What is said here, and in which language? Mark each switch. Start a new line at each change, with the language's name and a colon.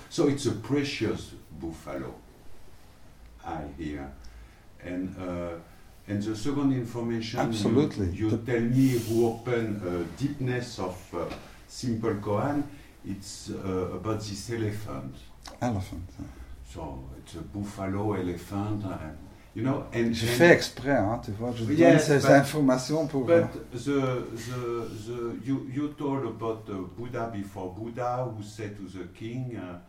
English: So it's a precious buffalo. I hear, and the second information. Absolutely. You tell me who open a deepness of simple koan. It's about this elephant. Elephant. Yeah. So it's a buffalo elephant, you know. And
French: je fais exprès, hein, tu vois. Je donne ces informations pour.
English: But the you told about the Buddha before Buddha who said to the king.